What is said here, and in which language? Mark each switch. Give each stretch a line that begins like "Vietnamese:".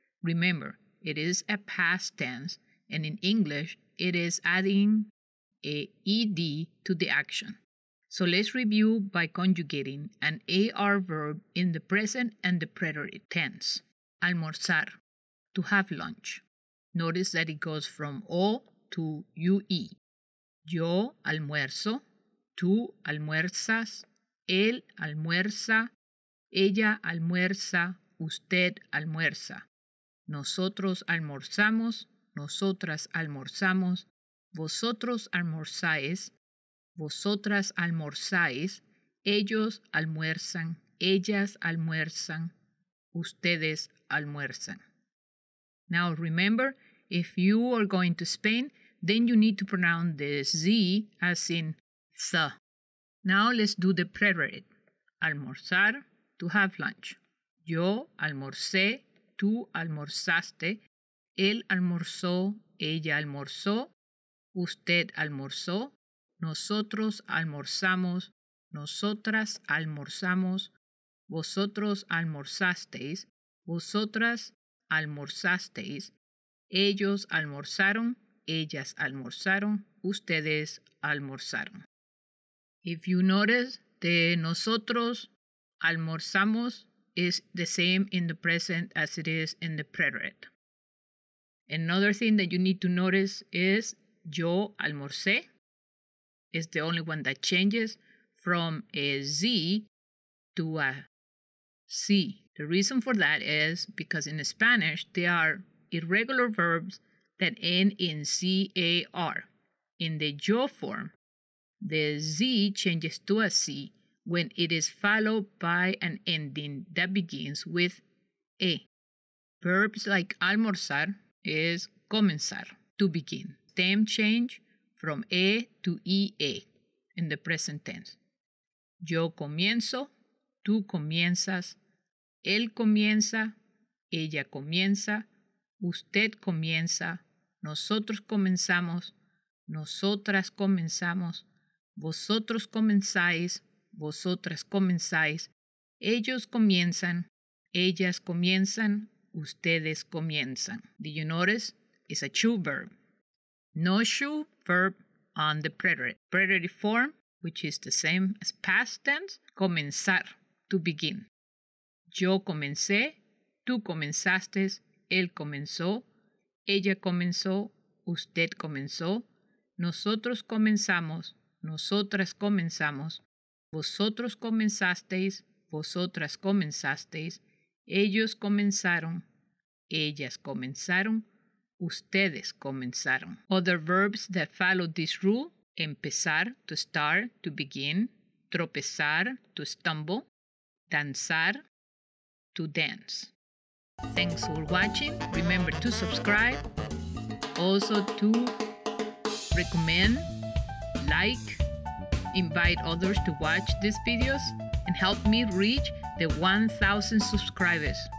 English: Remember, it is a past tense, and in English, it is adding a ED to the action. So let's review by conjugating an AR verb in the present and the preterite tense. Almorzar, to have lunch. Notice that it goes from O to UE.
Spanish: Yo almuerzo, tú almuerzas, él almuerza, ella almuerza, usted almuerza. Nosotros almorzamos, nosotras almorzamos, vosotros almorzáis, vosotras almorzáis, ellos almuerzan, ellas almuerzan, ustedes almuerzan.
English: Now remember, if you are going to Spain, then you need to pronounce the Z as in th. Now let's do the preterite. Almorzar, to have lunch.
Spanish: Yo almorcé. Tú almorzaste, él almorzó, ella almorzó, usted almorzó, nosotros almorzamos, nosotras almorzamos, vosotros almorzasteis, vosotras almorzasteis, ellos almorzaron, ellas almorzaron, ustedes almorzaron.
English: If you notice, the
Spanish: nosotros almorzamos
English: is the same in the present as it is in the preterite. Another thing that you need to notice is
Spanish: yo almorcé
English: is the only one that changes from a Z to a C. The reason for that is because in Spanish, there are irregular verbs that end in C-A-R. In the yo form, the Z changes to a C when it is followed by an ending that begins with E. Verbs like almorzar is comenzar, to begin. Stem change from E to EA in the present tense.
Spanish: Yo comienzo, tú comienzas, él comienza, ella comienza, usted comienza, nosotros comenzamos, nosotras comenzamos, vosotros comenzáis, vosotras comenzáis, ellos comienzan, ellas comienzan, ustedes comienzan.
English: Did you notice? It's a shoe verb. No shoe verb on the preterite. Preterite form, which is the same as past tense, comenzar, to begin.
Spanish: Yo comencé, tú comenzaste, él comenzó, ella comenzó, usted comenzó, nosotros comenzamos, nosotras comenzamos. Vosotros comenzasteis, vosotras comenzasteis, ellos comenzaron, ellas comenzaron, ustedes comenzaron.
English: Other verbs that follow this rule, empezar, to start, to begin, tropezar, to stumble, danzar, to dance. Thanks for watching. Remember to subscribe, also to recommend, like, invite others to watch these videos and help me reach the 1,000 subscribers.